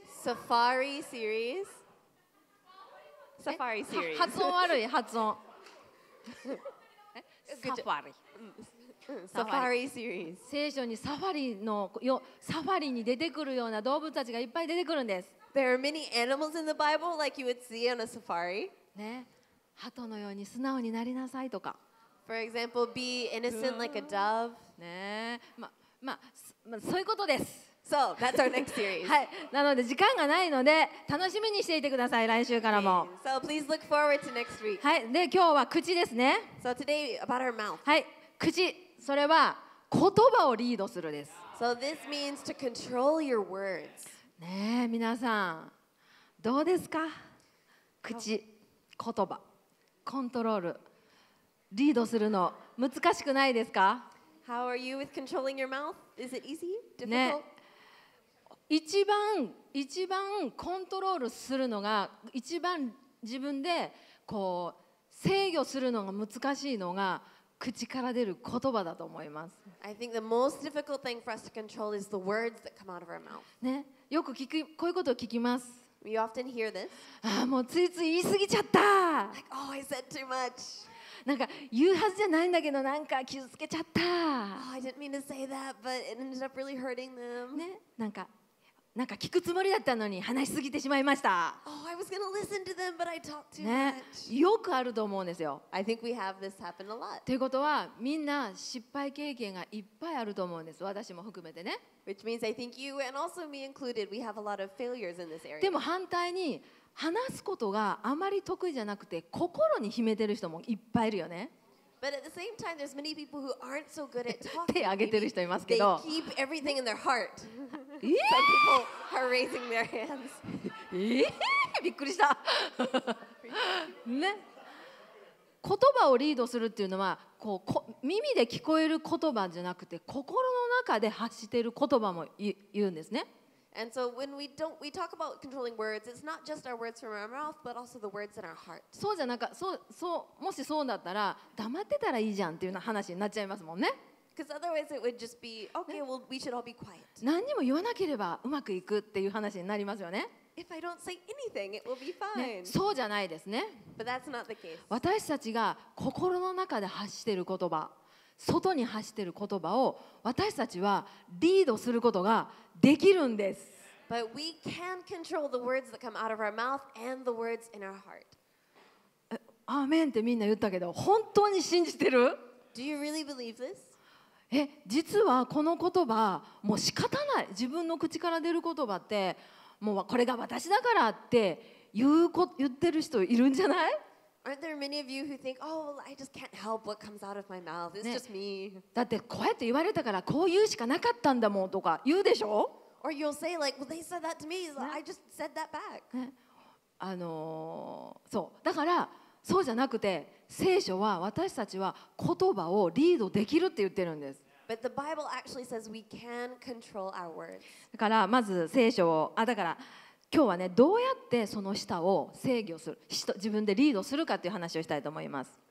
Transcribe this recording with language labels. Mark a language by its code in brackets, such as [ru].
[ja] サファリシリーズ。サファリシリーズ。発音悪い、発音。サファリ。サファリシリーズ。聖書にサファリに出てくるような動物たちがいっぱい出てくるんです。 [en] There are many animals in the Bible like you would see on a safari. [ja] ね。鳩のように素直になりなさいとか。 [en] For example, be innocent like a dove. [ja] ね。そういうことです。 [en] So that's our next series. [ja] はい、なので時間がないので楽しみにしていてください来週からも。 [en] So please look forward to next week. [ja] はい、で今日は口ですね。 [en] So today about our mouth. [ja] はい、口、それは言葉をリードするです。 [en] So this means to control your words. [ja] ねえ、皆さんどうですか？口、言葉、コントロール、リードするの難しくないですか？ [en] How are you with controlling your mouth? Is it easy? Difficult?、ね [ja] 一番コントロールするのが一番自分でこう制御するのが難しいのが口から出る言葉だと思います。 [en] I think the most difficult thing for us to control is the words that come out of our mouth. [ja] ね、よく聞くこういうことを聞きます。 [en] We often hear this. [ja] あ、もうついつい言い過ぎちゃった。 [en] Like, oh, I said too much. [ja] なんか言うはずじゃないんだけどなんか傷つけちゃった。 [en] Oh, I didn't mean to say that, but it ended up really hurting them. [ja] ね、なんか聞くつもりだったのに話しすぎてしまいました。 [en] Oh, I was gonna listen to them, but I talked too much. [ja] ね、よくあると思うんですよ。 [en] I think we have this happen a lot. [ja] ということはみんな失敗経験がいっぱいあると思うんです。私も含めてね。 [en] Which means I think you and also me included, we have a lot of failures in this area. [ja] でも反対に話すことがあまり得意じゃなくて心に秘めてる人もいっぱいいるよね。 [en] But at the same time, there's many people who aren't so good at talking. [ja] 手挙げてる人いますけど。 [en] They keep everything in their heart. Some people are raising their hands. [ja] びっくりした。ね。言葉をリードするっていうのは、耳で聞こえる言葉じゃなくて、心の中で発してる言葉も言うんですね。 [en] And so when we talk about controlling words, it's not just our words from our mouth, but also the words in our heart. [ja] そうじゃなんか、もしそうだったら、黙ってたらいいじゃんっていうような話になっちゃいますもんね。 [en] Because otherwise it would just be, okay, well, we should all be quiet. [ja] 何にも言わなければうまくいくっていう話になりますよね。 [en] If I don't say anything, it will be fine. [ja] ね、そうじゃないですね。 [en] But that's not the case. [ja] 私たちが心の中で発している言葉。外に走ってる言葉を私たちはリードすることができるんです。 [en] But we can control the words that come out of our mouth and the words in our heart. [ja] アーメンってみんな言ったけど、本当に信じてる? [en] Do you really believe this? [ja] 実はこの言葉、もう仕方ない。自分の口から出る言葉って、もうこれが私だからって言ってる人いるんじゃない? [en] Aren't there many of you who think, oh, I just can't help what comes out of my mouth? It's just me. [ja] だってこうやって言われたからこう言うしかなかったんだもんとか言うでしょ? [en] Or you'll say like, well, they said that to me. I just said that back. [ja] そう。だからそうじゃなくて、聖書は私たちは言葉をリードできるって言ってるんです。 [en] But the Bible actually says we can control our words. [ja] だからまず聖書を、だから今日はね、どうやってその舌を制御する、自分でリードするかっていう話をしたいと思います。